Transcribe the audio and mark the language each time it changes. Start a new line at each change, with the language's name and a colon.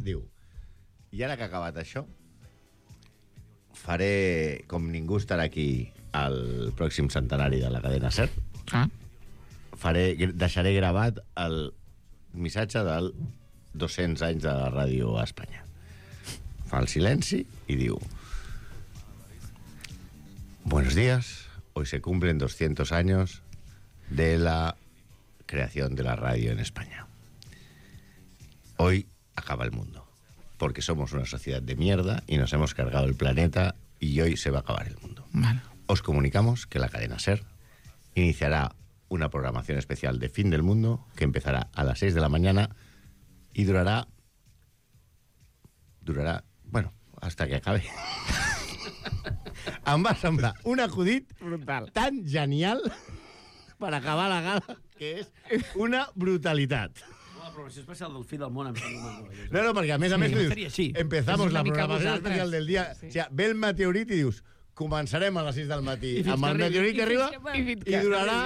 Catalan: Diu, i ara que ha acabat això, faré com ningú estarà aquí al pròxim centenari de la cadena SER. Ah. Deixaré gravat el missatge del 200 anys de la ràdio a Espanya. Fa el silenci i diu...
Spanish: Buenos días, hoy se cumplen 200 años de la creación de la ràdio en España. Hoy acaba el mundo, porque somos una sociedad de mierda y nos hemos cargado el planeta... Y hoy se va a acabar el mundo. Vale. Os comunicamos que la cadena SER iniciará una programación especial de fin del mundo que empezará a las 6 de la mañana y durará, bueno, hasta que acabe.
Catalan: Em va semblar un acudit brutal, tan genial per acabar la gala, que és una brutalitat. La programació especial del fi del món. No, perquè a més empezamos la programació especial del dia. Sí. O sigui, ve el meteorit i dius, començarem a les 6 del matí amb el meteorit que arriba i durarà...